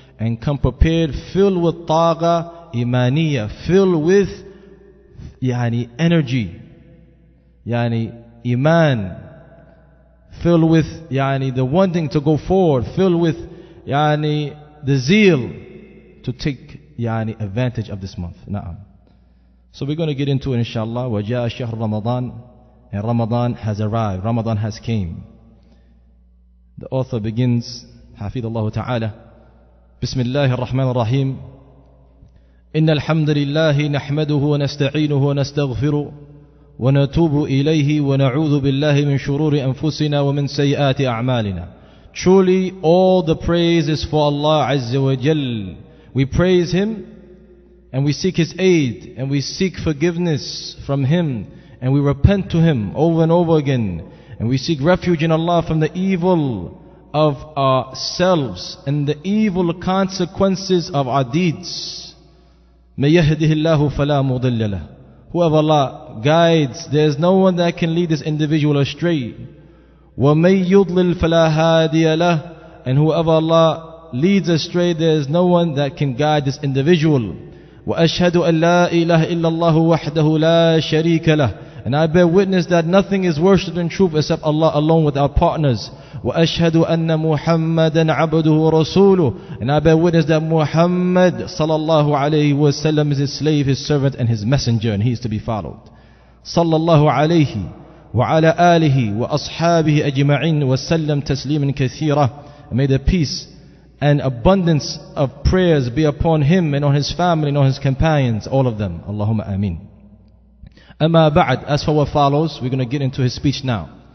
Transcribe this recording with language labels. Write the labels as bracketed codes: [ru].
[en] And come prepared, filled with taqa imaniya, filled with yani energy, yani iman, filled with yani the wanting to go forward, filled with yani the zeal to take yani advantage of this month. Na'am. So we're going to get into it, inshallah. [ar] وَجَاءَ شَهْرُ رَمَضَانِ, [en] and Ramadan has arrived, Ramadan has came. The author begins, [ar] حَفِيدَ اللَّهُ تَعَالَى, بِسْمِ اللَّهِ الرَّحْمَنِ الرَّحِيمِ, إِنَّ الْحَمْدَ لِلَّهِ نَحْمَدُهُ وَنَسْتَعِينُهُ وَنَسْتَغْفِرُ ونتوب إليه ونعوذ بالله من شرور أنفسنا ومن سيئات أعمالنا. [en] Truly all the praise is for Allah Azza wa Jal. We praise Him and we seek His aid and we seek forgiveness from Him and we repent to Him over and over again and we seek refuge in Allah from the evil of ourselves and the evil consequences of our deeds. [ar] مَنْ يَهْدِهِ اللَّهُ فَلَا مُضِلَّ لَهُ. [en] Whoever Allah guides, there is no one that can lead this individual astray. [ar] وَمَنْ يُضْلِلْ فَلَا هَادِيَ لَهُ, [en] and whoever Allah leads astray, there is no one that can guide this individual. [ar] وَأَشْهَدُ أَنْ لَا إِلَهَ إِلَّا اللَّهُ وَحْدَهُ لَا شَرِيكَ لَهُ, [en] and I bear witness that nothing is worshipped in truth except Allah alone with our partners. [ar] وَأَشْهَدُ أَنَّ مُحَمَّدًا عَبْدُهُ وَرَسُولُهُ, [en] and I bear witness that Muhammad صلى الله عليه وسلم is his slave, his servant and his messenger, and he is to be followed. [ar] صلى الله عليه وعلى آله وأصحابه أجمعين وسلم تسليما كثيرا. [en] May the peace and abundance of prayers be upon him and on his family and on his companions, all of them. [ar] اللهم آمين. أما بعد, [en] as for what follows, we're going to get into his speech now.